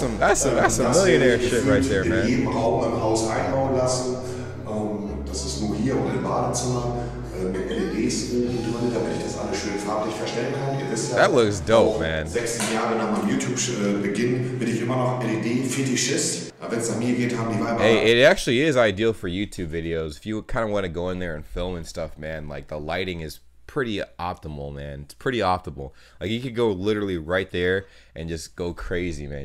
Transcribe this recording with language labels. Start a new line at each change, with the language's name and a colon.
English: That's some millionaire shit right there, man.
German: Im Raum im Haus einbauen lassen. Das ist nur hier und im Badezimmer mit LEDs oben drin, damit ich das alles schön farblich verstellen kann. Ihr wisst ja,
English: that looks dope, man.
German: 16 Jahre nach meinem YouTube-Beginn bin ich immer noch LED-Fetischist.
English: Hey, it actually is ideal for YouTube videos. If you kind of want to go in there and film and stuff, man, like the lighting is pretty optimal, man. It's pretty optimal. Like you could go literally right there and just go crazy, man.